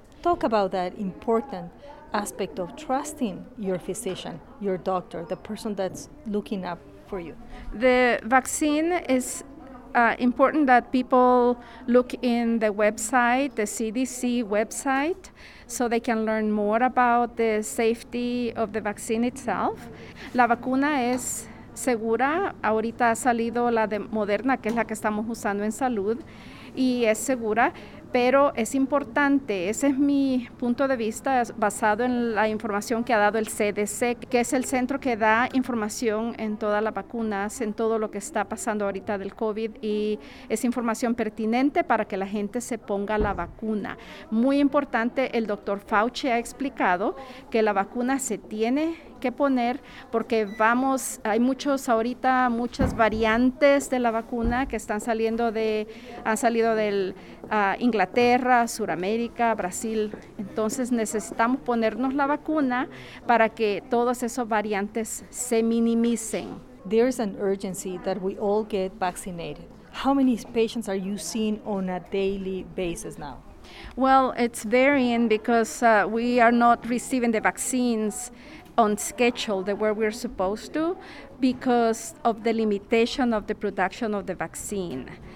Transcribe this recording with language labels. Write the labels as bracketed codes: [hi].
[en] Talk about that important aspect of trusting your physician, your doctor, the person that's looking up for you. The vaccine is important that people look in the website, the CDC website, so they can learn more about the safety of the vaccine itself. [es] La vacuna es segura. Ahorita ha salido la de Moderna, que es la que estamos usando en salud, y es segura. Pero es importante, ese es mi punto de vista basado en la información que ha dado el CDC, que es el centro que da información en todas las vacunas, en todo lo que está pasando ahorita del COVID, y es información pertinente para que la gente se ponga la vacuna. Muy importante, el doctor Fauci ha explicado que la vacuna se tiene que poner porque vamos, hay muchos ahorita, muchas variantes de la vacuna que están saliendo de, han salido del Inglaterra, Sudamérica, Brasil. Entonces necesitamos ponernos la vacuna para que todos esos variantes se minimicen. [en] There's an urgency that we all get vaccinated. How many patients are you seeing on a daily basis now? Well, it's varying because we are not receiving the vaccines on schedule the way we're supposed to because of the limitation of the production of the vaccine.